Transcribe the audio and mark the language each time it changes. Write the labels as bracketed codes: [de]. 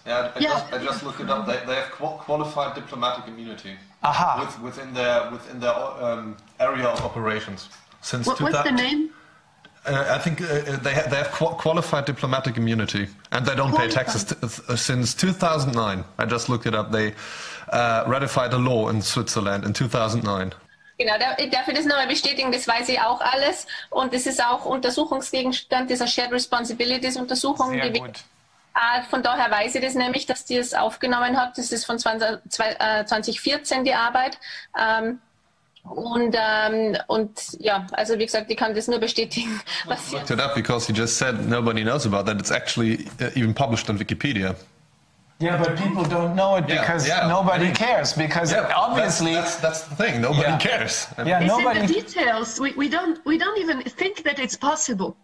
[en] I just looked it up. They have qualified diplomatic immunity. Aha. Within their area of operations since. What's the name? I think they have qualified diplomatic immunity, and they don't pay taxes since 2009. I just looked it up. They ratified a law in Switzerland in 2009. [de] Genau, dafür das nochmal bestätigen, das weiß ich auch alles. Und das ist auch Untersuchungsgegenstand dieser Shared Responsibilities Untersuchung. Sehr gut. Von daher weiß ich das nämlich, dass die es aufgenommen hat. Das ist von 2014 die Arbeit. Also wie gesagt, ich kann das nur bestätigen. [en] Was looked it up because you just said nobody knows about that. It's actually even published on Wikipedia. Yeah, but people don't know it because nobody cares. Obviously that's the thing. Nobody cares. Yeah, it's nobody. In the details. We don't even think that it's possible.